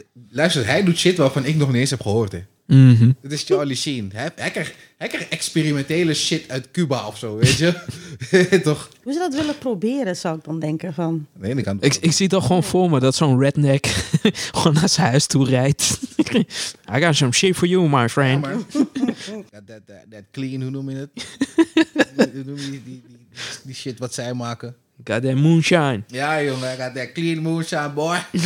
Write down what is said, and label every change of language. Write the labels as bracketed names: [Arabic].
[Dutch] Luister, hij doet shit waarvan ik nog niet eens heb gehoord. Hè. Mm-hmm. Het is Charlie Sheen. Hij krijgt experimentele shit uit Cuba of zo, weet je. Toch. Hoe ze dat willen proberen, zou ik dan denken. Van... Aan de ene kant. Ik zie het al gewoon voor me dat zo'n redneck gewoon naar zijn huis toe rijdt. [English] I got some shit for you, my friend. [Dutch] Ja, [English] that clean, [Dutch] hoe noem je het? Hoe noem je die shit wat zij maken? [English] Got that moonshine. [Dutch] Ja, jongen, [English] I got that clean moonshine, boy.